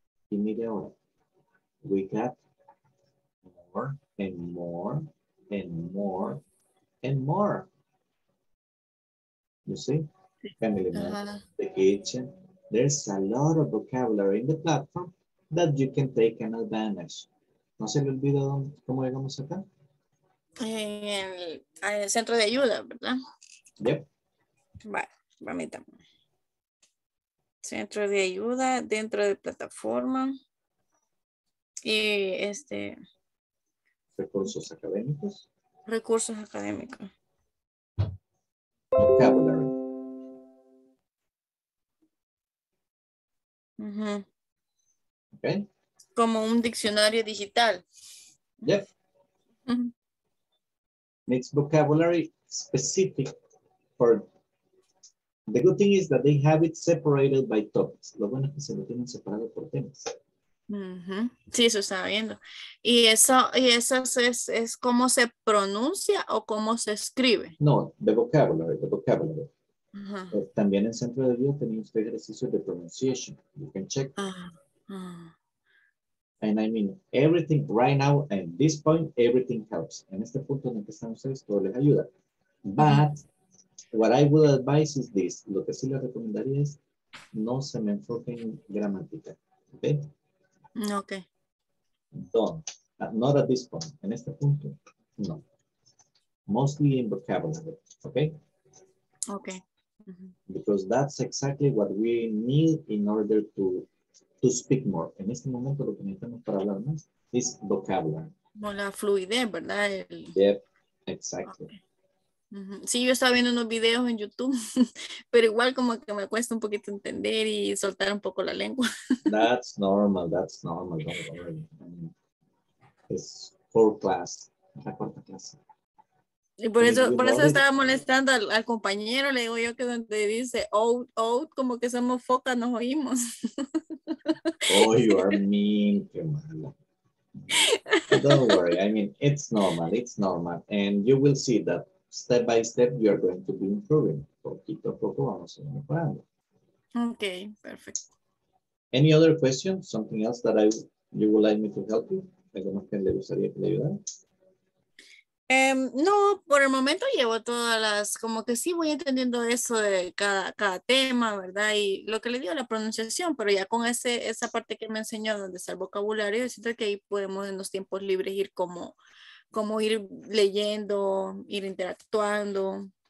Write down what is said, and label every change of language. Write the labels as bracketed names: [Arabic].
[Spanish] Y mire ahora, [English] we got more and more and more and more. You see, family uh-huh. members, the kitchen. There's a lot of vocabulary in the platform that you can take an advantage. [Spanish] ¿No se le olvida dónde, cómo llegamos acá? En el centro de ayuda, ¿verdad? [English] Yep. [Spanish] Vale, permítame. Centro de ayuda dentro de plataforma. Y este... Recursos académicos. Recursos académicos. [English] Vocabulary. Uh-huh. Okay. [Spanish] Como un diccionario digital. [English] Yep. Uh-huh. It's vocabulary specific for... The good thing is that they have it separated by topics. [Spanish] Lo bueno es que se lo tienen separado por temas. Uh-huh. Sí, eso estaba viendo. ¿Y eso es cómo se pronuncia o cómo se escribe? [English] No, the vocabulary. Uh-huh. [Spanish] También en Centro de Vida tenía usted ejercicio de pronunciation. [English] You can check. Uh-huh. And I mean, everything right now, at this point, everything helps. [Spanish] En este punto en el que están ustedes, todo les ayuda. But... Uh-huh. [English] What I would advise is this. [Spanish] Lo que sí le recomendaría es no se me enfoque en gramática. ¿Ven? [English] Ok. Don't. Not at this point. [Spanish] En este punto, no. [English] Mostly in vocabulary. ¿Ok? Ok. Mm-hmm. Because that's exactly what we need in order to speak more. [Spanish] En este momento lo que necesitamos para hablar más es vocabulary. Como la fluidez, ¿verdad? [English] Yep. Exactly. Okay. [Spanish] Sí, yo estaba viendo unos videos en YouTube, pero igual como que me cuesta un poquito entender y soltar un poco la lengua. [English] That's normal. Don't worry. It's fourth class, [Spanish] la cuarta clase. Y por eso estaba molestando al compañero, le digo yo que donde dice out, como que somos focas, nos oímos. [English] Oh, you are mean, [Spanish] qué mala. [English] Don't worry, I mean, it's normal, and you will see that. Step by step, you are going to be improving. [Spanish] Poquito a poco vamos a ir mejorando. [English] Okay, perfect. Any other questions? Something else that you would like me to help you? [Spanish] ¿Algo más que le gustaría que le ayudara? No, por el momento llevo todas las, como que sí voy entendiendo eso de cada tema, ¿verdad? Y lo que le digo, la pronunciación, pero ya con esa parte que me enseñó donde está el vocabulario, siento que ahí podemos en los tiempos libres ir como ir leyendo, ir interactuando.